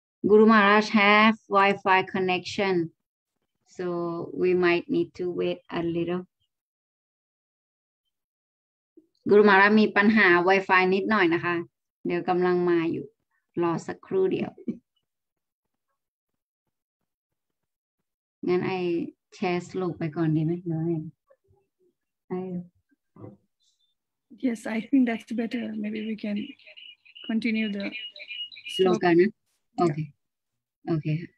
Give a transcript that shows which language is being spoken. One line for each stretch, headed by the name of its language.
English: Guru Maharaj have Wi-Fi connection, so we might need to wait a little.
Thai: Guru Maharaj มีปัญหา Wi-Fi นิดหน่อยนะคะเดี๋ยวกำลังมาอยู่รอสักครู่เดียวงั้นไอ้แชร์สรุปไปก่อนดีไหมเดี๋ยวไอ้
English: Yes, I think that's better. Maybe we can continue the slow kind of. Okay. Yeah. Okay.